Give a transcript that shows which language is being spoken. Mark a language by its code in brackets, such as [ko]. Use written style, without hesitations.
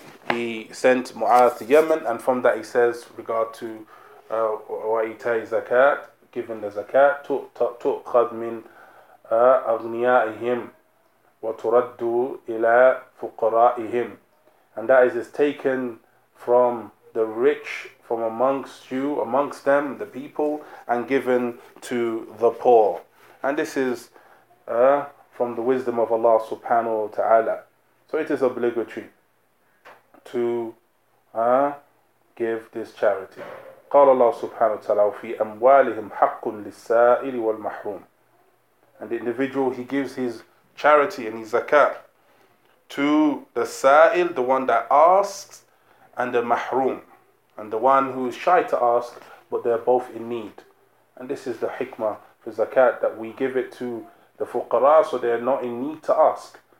[en] وسلم, he sent Mu'adh to Yemen, and from that he says, regard to wa'itai zakat, giving the zakat, [ar] tu'khad min aghniyaihim wa turaddu ila fuqara'ihim, [en] and that is taken from the rich, from amongst you, amongst them, the people, and given to the poor. And this is from the wisdom of Allah subhanahu wa ta'ala. So it is obligatory to give this charity. [ar] قال الله سبحانه وتعالى في أموالهم حق للسائل والمحروم. [en] And the individual, he gives his charity and his zakat to the sa'il, the one that asks, and the mahroom, and the one who is shy to ask, but they're both in need. And this is the hikmah for zakat, that we give it to the fuqara so they're not in need to ask.